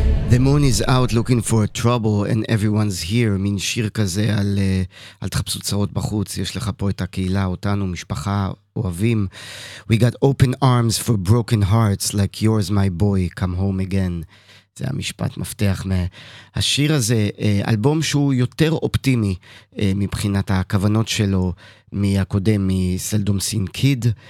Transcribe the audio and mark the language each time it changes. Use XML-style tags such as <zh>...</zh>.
<en>The moon is out looking for trouble and everyone's here.</en> <he>מין שיר כזה על, על תחפשו צרות בחוץ. יש לך פה את הקהילה, אותנו, משפחה, אוהבים.</he> <en>We got open arms for broken hearts like yours, my boy, come home again.</en> <he>זה המשפט מפתח מהשיר הזה. אלבום שהוא יותר אופטימי מבחינת הכוונות שלו מהקודם, מסלדום סין קיד.</he>